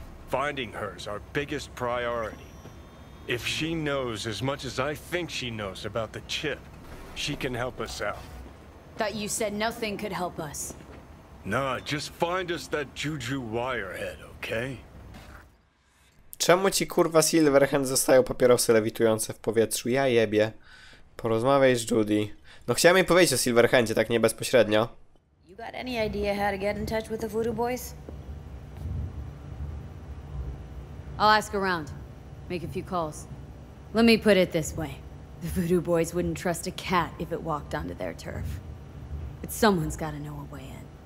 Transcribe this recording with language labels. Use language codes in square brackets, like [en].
[en] Finding her is our biggest priority. If she knows as much as I think she knows about the chip, she can help us out. Thought you said nothing could help us. Nah, just find us that Juju wirehead, okay? [pl] Czemu ci kurwa Silverhand zostają papierosy lewitujące w powietrzu? Ja jebie. Porozmawiaj z Judy. No chciałem jej powiedzieć o Silverhandzie, tak nie bezpośrednio. [en] Got any idea how to get in touch with the Voodoo Boys? I'll ask around. Make a few calls. Let me put it this way. The Voodoo Boys wouldn't trust a cat if it walked onto their turf. But someone's gotta know a way in.